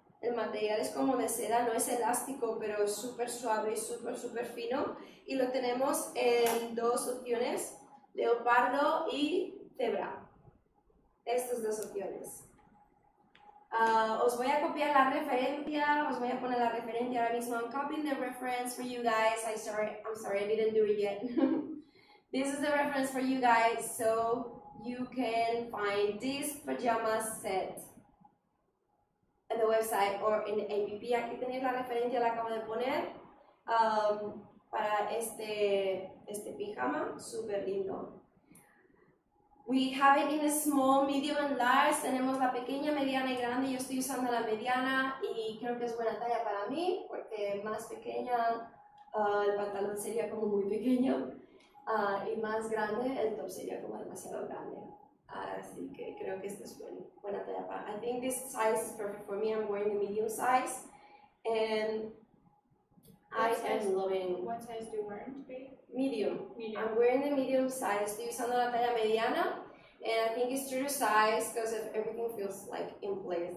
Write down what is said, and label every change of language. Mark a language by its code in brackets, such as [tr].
[es] El material es como de seda, no es elástico, pero es súper suave y súper, súper fino. Y lo tenemos en dos opciones, leopardo y zebra. Estas dos opciones. Os voy a copiar la referencia, os voy a poner la referencia ahora mismo. [en] I'm copying the reference for you guys. I'm sorry, I didn't do it yet. This is the reference for you guys, so you can find this pajama set. [es] En el website o en el app, aquí tenéis la referencia, la acabo de poner para este pijama, super lindo. [en] We have it in a small, medium and large. [es] Tenemos la pequeña, mediana y grande. Yo estoy usando la mediana y creo que es buena talla para mí porque más pequeña el pantalón sería como muy pequeño y más grande el top sería como demasiado grande. Así que creo que esto es buena talla para. [en] I think this size is perfect for me. I'm wearing the medium size, and I am loving. What size do you wear today? Medium. Medium. I'm wearing the medium size. [es] Estoy usando la talla mediana. [en] And I think it's true to size because everything feels like in place.